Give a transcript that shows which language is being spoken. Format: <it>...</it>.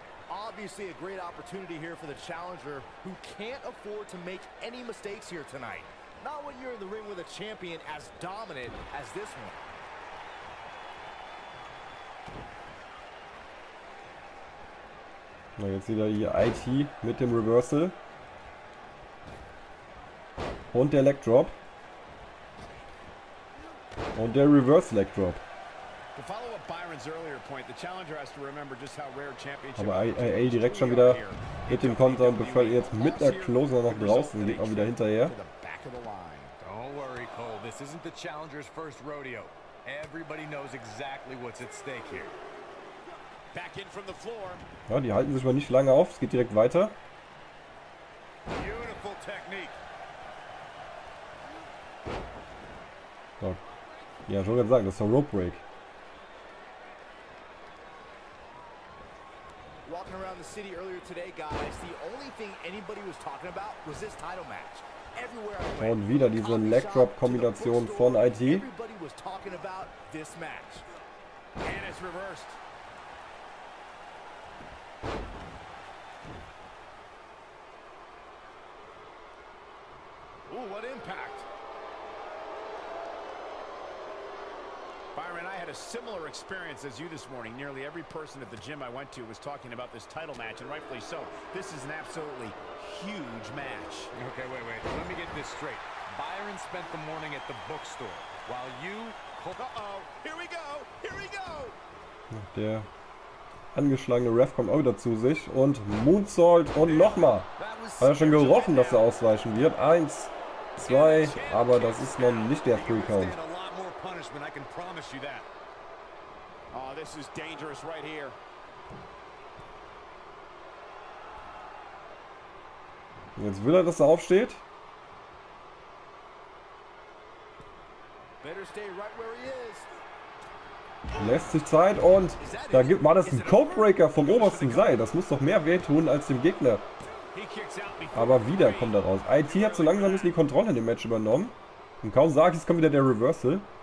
<en>Obviously a great opportunity here for the challenger who can't afford to make any mistakes here tonight. Not when you're in the ring with a champion as dominant as this one.</en> <de>Na, jetzt wieder hier IT mit dem Reversal. Und der Leg Drop. Und der Reverse Leg Drop.</de> <en>To follow up Byron's earlier point, the challenger has to remember just how rare championship.</en> <de>Aber IA direkt schon wieder mit dem Konter und befördert jetzt mit der Closer noch draußen, liegt auch wieder hinterher.</de> <en>Don't worry, Cole, this isn't the challenger's first rodeo. Everybody knows exactly what's at stake here. Back in from the floor.</en> <de>Ja, die halten sich mal nicht lange auf, es geht direkt weiter.</de> <en>Beautiful technique. So.</en> <de>Ja, schon gesagt, das ist ein Rope Break.</de> <en>Walking around the city earlier today, guys, the only thing anybody was talking about was this title match. Everywhere I went.</en> <de>Und wieder diese Leg Drop Kombination von IT.</de> <en>Everybody was talking about this match. And it's reversed. Ooh, what impact. Byron, I had a similar experience as you this morning. Nearly every person at the gym I went to was talking about this title match, and rightfully so. This is an absolutely huge match. Okay, wait, wait. Let me get this straight. Byron spent the morning at the bookstore, while you... Uh-oh, here we go, here we go!</en> <de>Der angeschlagene Ref kommt auch wieder zu sich und Moonsault und nochmal. Hat er schon gerochen, dass er ausweichen wird. Eins, zwei, aber das ist noch nicht der Pre-Count.</de> <en>I can promise you that. Oh, this is dangerous right here.</en> <de>Jetzt will er, dass er aufsteht.</de> <en>Better stay right where he is.</en> <de>Lässt sich Zeit und da gibt mal das ein Codebreaker vom obersten Seil. Das muss doch mehr wehtun als dem Gegner. Aber wieder kommt er raus. IT hat so langsam nicht die Kontrolle in dem Match übernommen. Und kaum sage ich, es kommt wieder der Reversal.</de>